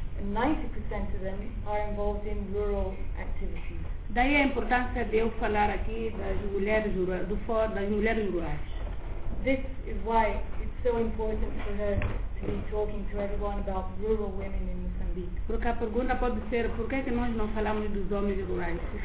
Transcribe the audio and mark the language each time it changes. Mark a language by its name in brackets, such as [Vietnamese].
[English] And 90% of them are involved in rural activities. [Portuguese] Daí a importância de eu falar aqui das mulheres rurais, das mulheres rurais. [English] This is why it's so important for her to be talking to everyone about rural women in Mozambique. [Portuguese] Porque a pergunta pode ser, por que nós não falamos dos homens rurais?